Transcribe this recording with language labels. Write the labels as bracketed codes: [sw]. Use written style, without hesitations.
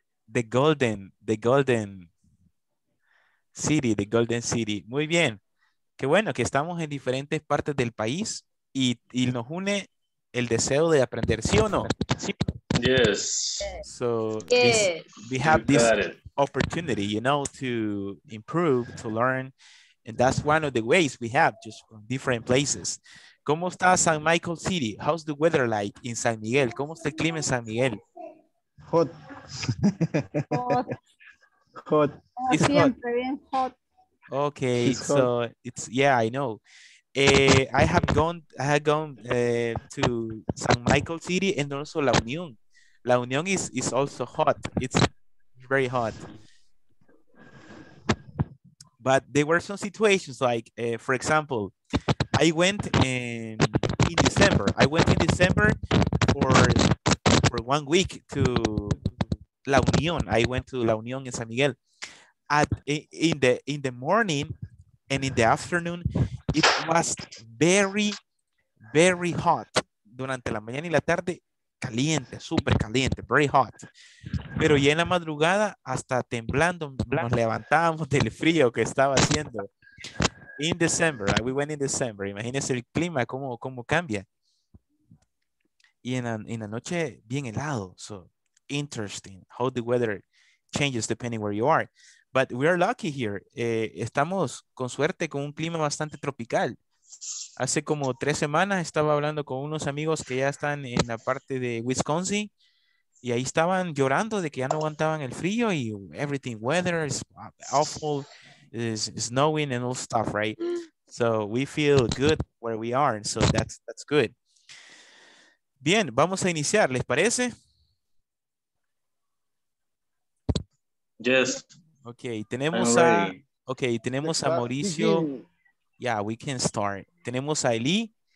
[en] The Golden. City, the Golden City. [es] Muy bien. Qué bueno que estamos en diferentes partes del país y nos une el deseo de aprender, ¿sí o no? Sí. [en] Yes. So, yes. We have this opportunity, you know, to improve, to learn. And that's one of the ways we have, just from different places. [es] ¿Cómo está [en] San Michael City? How's the weather like in San Miguel? [es] ¿Cómo está el clima en San Miguel? [en] Hot. Hot. It's hot. Okay, it's hot. So it's, yeah, I know. I have gone to San Michael City and also La Unión. La Unión is also hot. It's very hot. But there were some situations like, for example, I went in December for 1 week to La Unión. I went to La Unión in San Miguel. In the morning and in the afternoon, it was very, very hot. [es] Durante la mañana y la tarde, caliente, super caliente, [en] very hot. [es] Pero ya en la madrugada, hasta temblando, nos levantábamos del frío que estaba haciendo. [en] In December, we went in December. [es] Imagínese el clima, cómo cambia. Y en la noche, bien helado. [en] So, interesting how the weather changes depending where you are. But we are lucky here. [es] Estamos con suerte con un clima bastante tropical. Hace como 3 semanas estaba hablando con unos amigos que ya están en la parte de Wisconsin y ahí estaban llorando de que ya no aguantaban el frío y [en] everything, weather is awful, is snowing and all stuff, right? So we feel good where we are, so that's good. [es] Bien, vamos a iniciar, ¿les parece? [en] Yes. [es] Okay, tenemos a Mauricio. [en] Yeah, we can start. [es] Tenemos a Eli.